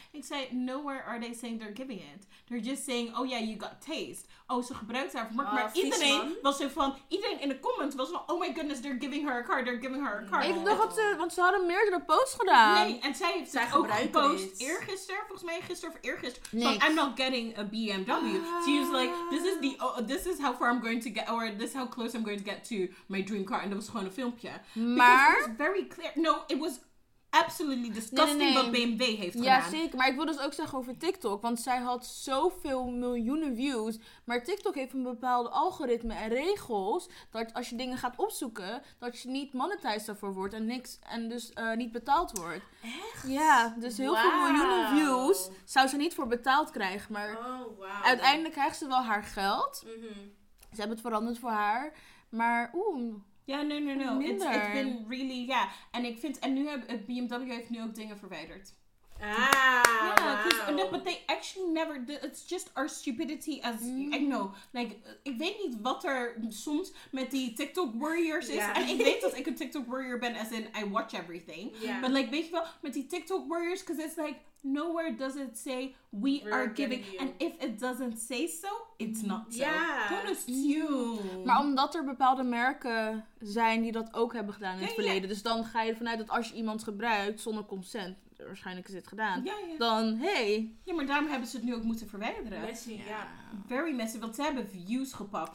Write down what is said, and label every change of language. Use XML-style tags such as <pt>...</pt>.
<nl>Ik zei,</nl> <en>nowhere are they saying they're giving it. They're just saying, oh yeah, you got taste.</en> <nl>Oh, ze gebruikt haar voor marketing. Maar iedereen was zo van... Iedereen in de comments was van,</nl> <en>oh my goodness, they're giving her a car. They're giving her a car.</en> <nl>Ik dacht dat ze... Want ze hadden meerdere posts gedaan. Nee, en zij heeft zij ook gepost eergisteren. Volgens mij gisteren of eergisteren. Van,</nl> <en>I'm not getting a BMW. She was like, this is the... this is how far I'm going to get, or this is how close I'm going to get to my dream car. And it was</en> <nl>gewoon een filmpje. Maar...</nl> <en>Because it was very clear. No, it was absolutely disgusting</en> <nl>wat BMW heeft gedaan. Ja, zeker. Maar ik wil dus ook zeggen over TikTok. Want zij had zoveel miljoenen views. Maar TikTok heeft een bepaalde algoritme en regels. Dat als je dingen gaat opzoeken, dat je niet monetized daarvoor wordt. En niks en dus niet betaald wordt. Echt? Ja, dus heel veel miljoenen views zou ze niet voor betaald krijgen. Maar uiteindelijk krijgt ze wel haar geld. Ze hebben het veranderd voor haar. Maar</nl> <en>Ja, no. Minder. It's been really, ja.</en> <nl>En ik vind, en nu heeft BMW heeft nu ook dingen verwijderd. Ah, ja, wow.</nl> <en>But they actually never, it's just our stupidity as, I know.</en> <nl>Like, ik weet niet wat er soms met die TikTok warriors is. Yeah. En ik weet dat ik een TikTok warrior ben,</nl> <en>as in I watch everything. Yeah. But like,</en> <nl>weet je wel, met die TikTok warriors,</nl> <en>because it's like, nowhere does it say we are giving. And if it doesn't say so, it's not so. Yeah. Don't assume.</en> <nl>Maar omdat er bepaalde merken zijn die dat ook hebben gedaan in het verleden. Dus dan ga je ervan uit dat als je iemand gebruikt zonder consent, waarschijnlijk is dit gedaan. Dan, hey. Ja, maar daarom hebben ze het nu ook moeten verwijderen. Messy, ja.</nl> <en>Very messy,</en> <nl>want ze hebben views gepakt.</nl>